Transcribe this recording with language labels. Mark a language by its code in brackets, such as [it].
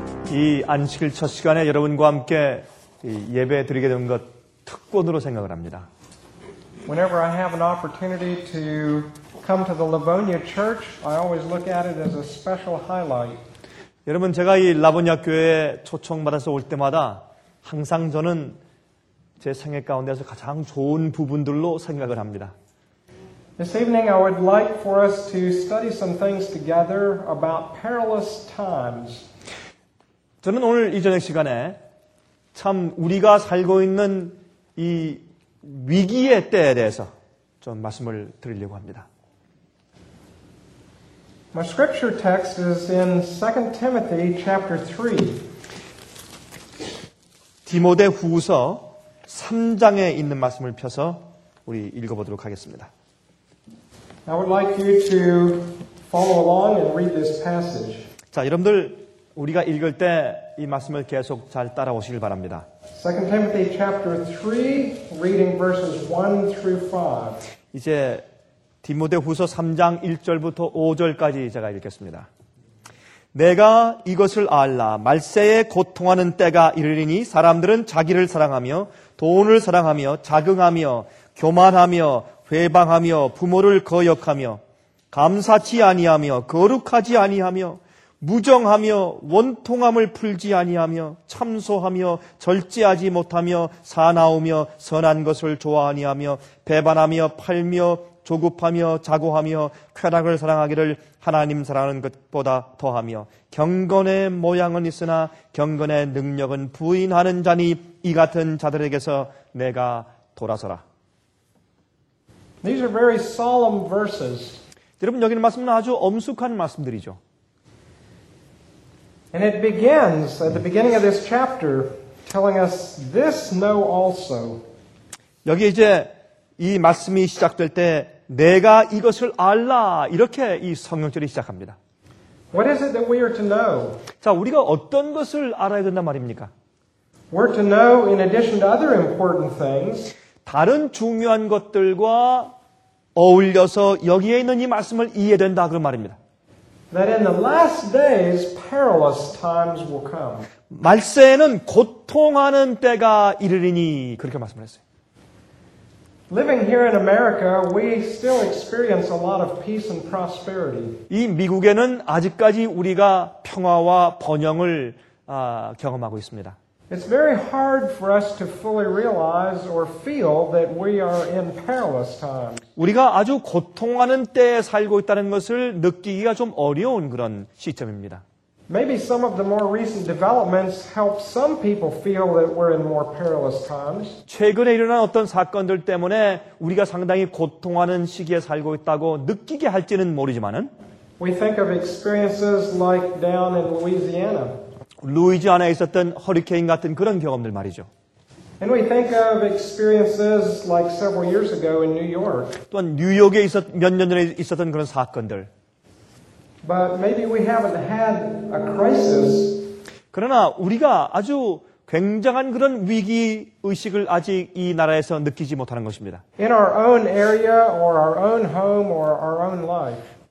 [ko] 이 안식일 첫 시간에 여러분과 함께 예배 드리게 된 것 특권으로 생각을 합니다. [en] Whenever I have an opportunity to come to the Livonia Church, I always look at it as a special highlight. [ko] 여러분, 제가 이 라보니아 교회에 초청받아서 올 때마다 항상 저는 제 생애 가운데서 가장 좋은 부분들로 생각을 합니다. [en] This evening I would like for us to study some things together about perilous times. [ko] 저는 오늘 이 저녁 시간에 참 우리가 살고 있는 이 위기의 때에 대해서 좀 말씀을 드리려고 합니다. [en] My scripture text is in 2 Timothy chapter 3. [ko] 디모데 후서 3장에 있는 말씀을 펴서 우리 읽어보도록 하겠습니다. [en] I would like you to follow along and read this passage. [ko] 자, 여러분들 우리가 읽을 때 이 말씀을 계속 잘 따라오시길 바랍니다. [en] 2 Timothy chapter 3, reading verses 1 through 5. [ko] 이제 디모데후서 3장 1절부터 5절까지 제가 읽겠습니다. 내가 이것을 알라. 말세에 고통하는 때가 이르리니 사람들은 자기를 사랑하며 돈을 사랑하며 자긍하며 교만하며 회방하며 부모를 거역하며 감사치 아니하며 거룩하지 아니하며 무정하며 원통함을 풀지 아니하며 참소하며 절제하지 못하며 사나우며 선한 것을 좋아하니하며 배반하며 팔며 조급하며 자고하며 쾌락을 사랑하기를 하나님 사랑하는 것보다 더하며 경건의 모양은 있으나 경건의 능력은 부인하는 자니 이 같은 자들에게서 내가 돌아서라. [en] These are very solemn verses. [ko] 여러분, 여기는 말씀은 아주 엄숙한 말씀들이죠. [en] And it begins at the beginning of this chapter telling us this know also. [ko] 여기 이제 이 말씀이 시작될 때 내가 이것을 알라 이렇게 이 성경절이 시작합니다. [en] What is it that we are to know? [ko] 자, 우리가 어떤 것을 알아야 된단 말입니까? [en] We're to know in addition to other important things. [ko] 다른 중요한 것들과 어울려서 여기에 있는 이 말씀을 이해된다 그 말입니다. [en] That in the last days perilous times will come. [ko] 말세에는 고통하는 때가 이르리니 그렇게 말씀을 했어요. [en] Living here in America, we still experience a lot of peace and prosperity. [ko] 이 미국에는 아직까지 우리가 평화와 번영을 경험하고 있습니다. [en] It's very hard for us to fully realize or feel that we are in perilous times. [ko] 우리가 아주 고통하는 때에 살고 있다는 것을 느끼기가 좀 어려운 그런 시점입니다. [en] Maybe some of the more recent developments help some people feel that we're in more perilous times. [ko] 최근에 일어난 어떤 사건들 때문에 우리가 상당히 고통하는 시기에 살고 있다고 느끼게 할지는 모르지만은 [en] We think of experiences like down in Louisiana. [ko] 루이지아나에 있었던 허리케인 같은 그런 경험들 말이죠. [en] And we think of experiences like several years ago in New York. [ko] 또한 뉴욕에 몇 년 전에 있었던 그런 사건들. [en] But maybe we haven't had a crisis. [ko] 그러나 우리가 아주 굉장한 그런 위기 의식을 아직 이 나라에서 느끼지 못하는 것입니다. [en] In our own area or our own home or our own life.